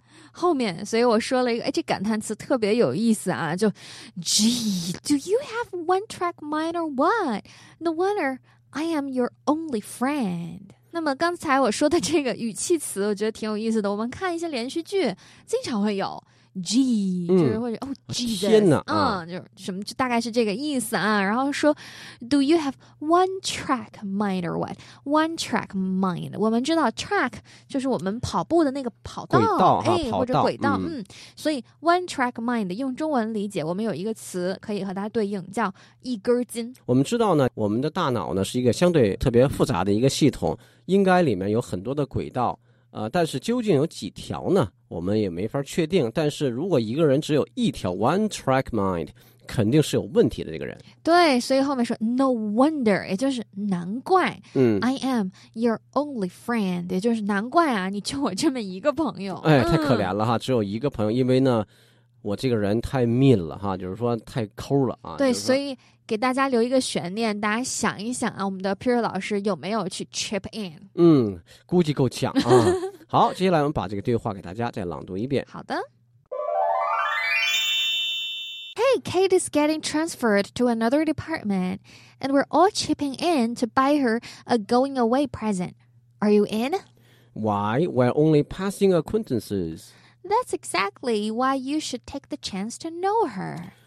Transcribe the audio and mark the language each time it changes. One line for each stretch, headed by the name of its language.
Chinese: 后面所以我说了一个，哎，这感叹词特别有意思啊，就
English: Gee， do you have one track mind or what？ No wonder。 I am your only friend.
Chinese: 那么刚才我说的这个语气词我觉得挺有意思的，我们看一些连续剧经常会有 Gee、就是会说哦 Jesus 天哪、就什么，就大概是这个意思啊。
English: 然后说 Do you have one track mind or what?
Chinese: One track mind， 我们知道 track 就是我们跑步的那个跑道轨道、或者轨道、所以 one track mind 用中文理解，我们有一个词可以和它对应，叫一根筋。我们知道呢，我们的大脑呢是一个相对特别复杂的一个系统，应该里面有很多的轨道，但是究竟有几条呢，我们也没法确定。但是如果一个人只有一条 one track mind， 肯定是有问题的这个人。对，所以后面说 no wonder， 也就是难怪、
English: I am your only friend，
Chinese: 也就是难怪啊，你就我这么一个朋友，哎，太可怜了哈，只有一个朋友，因为呢我这个人太mean了哈，就是说太抠了啊。对、就是、所以给大家留一个悬念，大家想一想啊，我们的 Peter 老师有没有去 chip in？估计够呛啊。好，接下来我们把这个对话给大家再朗读一遍。好的。
English: Hey, Kate is getting transferred to another department, and we're all chipping in to buy her a going away present. Are you in? Why? We're only passing acquaintances. That's exactly why you should take the chance to know her.